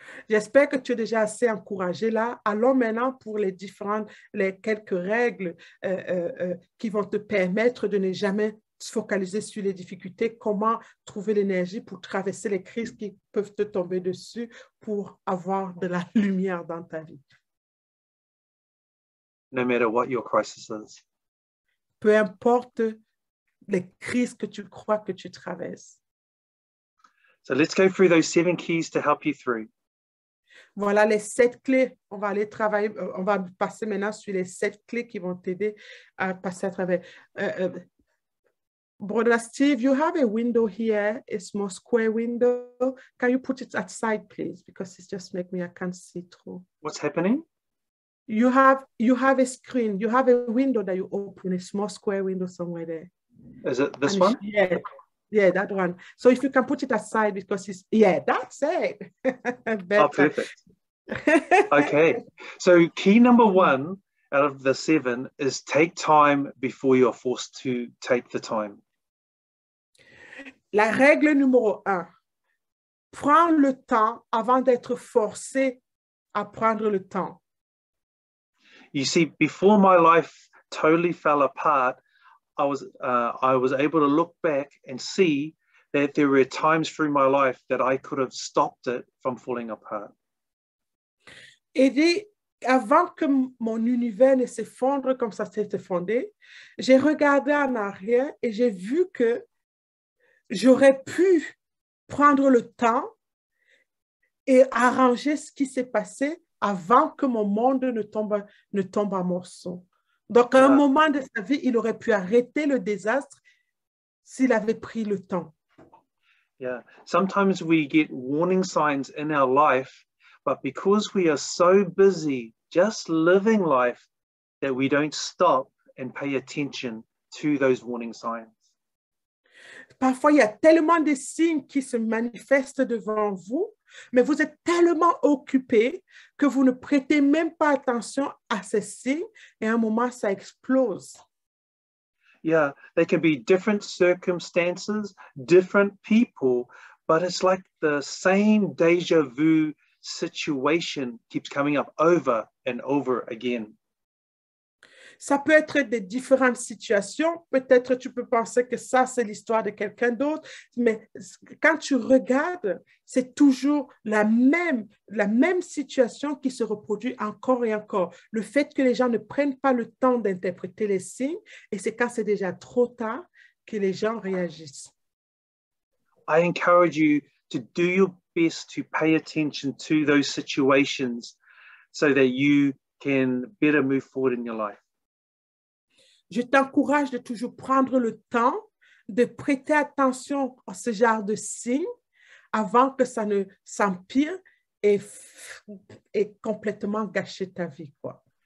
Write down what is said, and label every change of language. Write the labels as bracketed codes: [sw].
[fr] J'espère que tu es déjà assez encouragé là. Allons maintenant pour les différentes, les quelques règles qui vont te permettre de ne jamais se focaliser sur les difficultés, comment trouver l'énergie pour traverser les crises qui peuvent te tomber dessus pour avoir de la lumière dans ta vie. [en] No matter what your crisis is. [fr] Peu importe les crises que tu crois que tu traverses. [en] So let's go through those 7 keys to help you through. [fr] Voilà les 7 clés. On va aller travailler, on va passer maintenant sur les 7 clés qui vont t'aider à passer à travers. [en] Brother Steve, you have a window here, a small square window. Can you put it outside, please? Because it's just making me, I can't see through. What's happening? You have a screen, you have a window that you open, a small square window somewhere there. Is it this one? Yeah, that one. So if you can put it aside because it's, yeah, that's it. Better. Oh, perfect. Okay. So key number 1 out of the 7 is take time before you're forced to take the time. [fr] La règle numéro 1. Prends le temps avant d'être forcé à prendre le temps. [en] You see, before my life totally fell apart, I was able to look back and see that there were times through my life that I could have stopped it from falling apart. [fr] Et avant que mon univers ne s'effondre comme ça s'est effondré, j'ai regardé en arrière et j'ai vu que j'aurais pu prendre le temps et arranger ce qui s'est passé avant que mon monde ne tombe en morceaux. Donc, à un moment de sa vie, il aurait pu arrêter le désastre s'il avait pris le temps. Yeah. [en] Sometimes we get warning signs in our life, but because we are so busy just living life that we don't stop and pay attention to those warning signs. [fr] Parfois, il y a tellement de signes qui se manifestent devant vous, mais vous êtes tellement occupé que vous ne prêtez même pas attention à ces signes et à un moment, ça explose. [en] Yeah, they can be different circumstances, different people, but it's like the same déjà vu situation keeps coming up over and over again. [fr] Ça peut être des différentes situations. Peut-être tu peux penser que ça, c'est l'histoire de quelqu'un d'autre. Mais quand tu regardes, c'est toujours la même situation qui se reproduit encore et encore. Le fait que les gens ne prennent pas le temps d'interpréter les signes et c'est quand c'est déjà trop tard que les gens réagissent. [en] I encourage you to do your best to pay attention to those situations so that you can better move forward in your life. [fr] Je t'encourage de toujours prendre le temps de prêter attention à ce genre de signes avant que ça ne s'empire et complètement gâcher ta vie, quoi.